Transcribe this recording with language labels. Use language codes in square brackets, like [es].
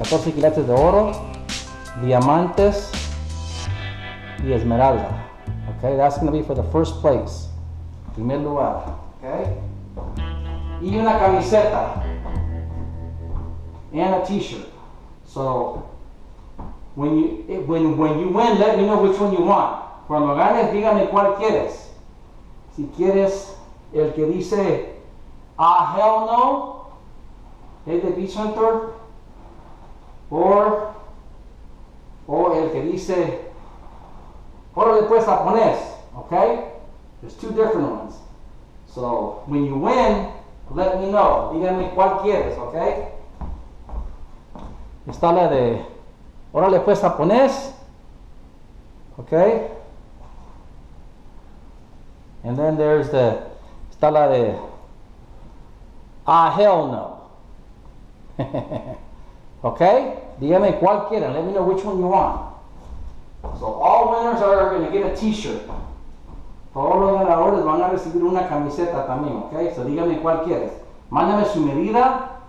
[es] 14 quilates de oro, diamantes, y esmeralda. [en] Okay, that's going to be for the first place. [es] Primer lugar. Okay? Y una camiseta. [en] And a t-shirt. So, when you win, let me know which one you want. [es] Cuando ganes, dígame cuál quieres. Si quieres el que dice, [en] ah, hell no, hey, the Beach Hunter, [es] o el que dice, oro después japonés, okay? [en] There's two different ones. So, when you win, let me know. [es] Dígame cuál quieres, okay? Está la de órale pues japonés, okay, [en] and then there's the [es] está la de ah hell no, okay, dígame cuál quieren, [en] let me know which one you want. So all winners are going to get a t-shirt. [es] Todos los ganadores van a recibir una camiseta también, okay, so dígame cuál quieres, mándame su medida.